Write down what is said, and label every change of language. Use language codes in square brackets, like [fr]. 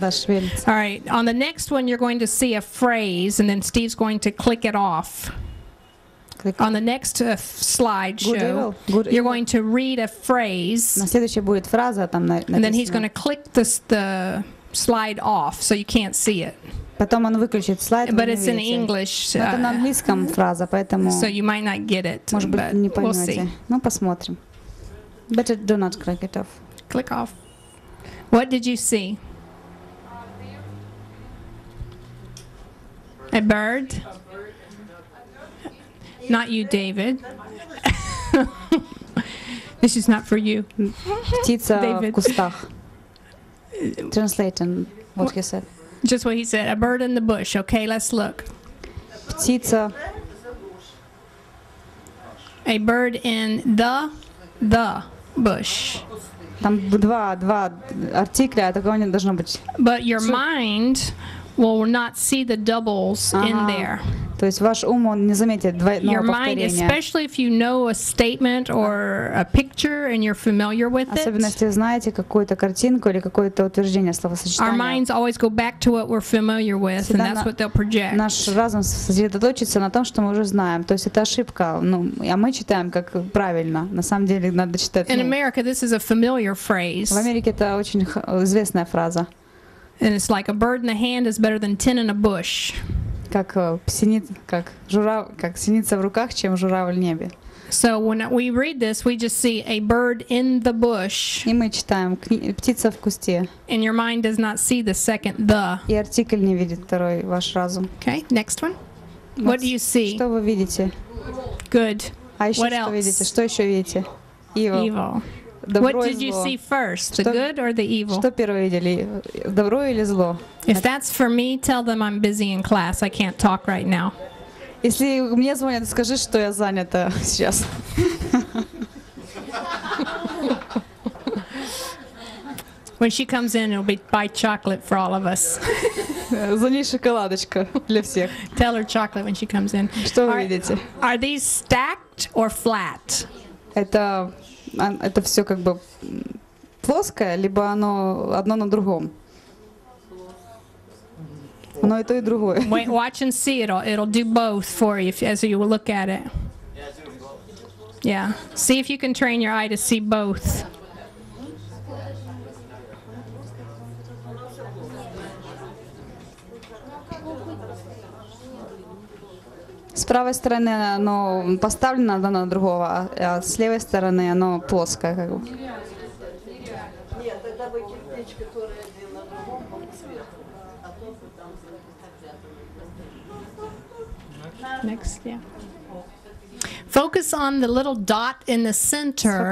[en] all right, on the next one, you're going to see a phrase, and then Steve's going to click it off. Click. On the next slideshow, you're going to read a phrase, and then he's going to click the slide off, so you can't see it. [ru] Потом он выключит слайд. [en] But it's in English. [ru] Это на английском фраза, поэтому... [en] So you might not get it, [ru] может быть, [en] but [ru] не поймете. [en] We'll see. [ru] Ну, посмотрим. [en] Better do not click it off. Click off. What did you see? A bird? Not you, David. This is not for you. [ru] Птица в кустах. [en] Translating what he said. Just what he said. A bird in the bush. Okay, let's look. [ru] Птица. [en] A bird in the bush. [ru] Там два артикля, такого не должно быть. [en] But your mind will not see the doubles in there. [ru] То есть ваш ум, он не заметит двойного повторения. [en] Your mind, especially if you know a statement or a picture and you're familiar with it. [ru] Особенно если знаете какую-то картинку или какое-то утверждение, словосочетание. [en] Our minds always go back to what we're familiar with, and that's what they'll project. [ru] Наш разум сосредоточится на том, что мы уже знаем. То есть это ошибка. Ну, а мы читаем как правильно. На самом деле надо читать. [en] In America, this is a familiar phrase. [ru] В Америке это очень известная фраза. [en] And it's like a bird in the hand is better than 10 in a bush. [ru] Как синица в руках, чем журавль в небе. [en] So when we read this, we just see a bird in the bush. [ru] И мы читаем птица в кусте. [en] And your mind does not see the second the. [ru] И артикль не видит второй ваш разум. [en] Okay, next one. What do you see? [ru] Что вы видите? [en] Good. [ru] А еще [en] what [ru] что [en] else? [ru] Видите? Что еще видите? [en] Evil. Evil. [ru] Добро [en] what did you see first, the good or the evil? [ru] Что первое видели, добро или зло? [en] If that's for me, tell them I'm busy in class. I can't talk right now. [ru] Если мне звонят, скажи, что я занята сейчас. [en] When she comes in, it'll be buy chocolate for all of us. [ru] За ней шоколадочка для всех. [en] Tell her chocolate when she comes in. [ru] Что вы видите? [en] Are these stacked or flat? [ru] Это все как бы плоское, либо оно одно на другом. Оно и то, и другое. [en] Wait, watch and see, it'll do both for you as you look at it. Yeah, see if you can train your eye to see both. [ru] С правой стороны оно поставлено одно на другого, а с левой стороны оно плоское, как бы. Нет, тогда бы кирпич, который один на другом, он сверху, а то бы там запятый. [en] Next, yeah. Focus on the little dot in the center.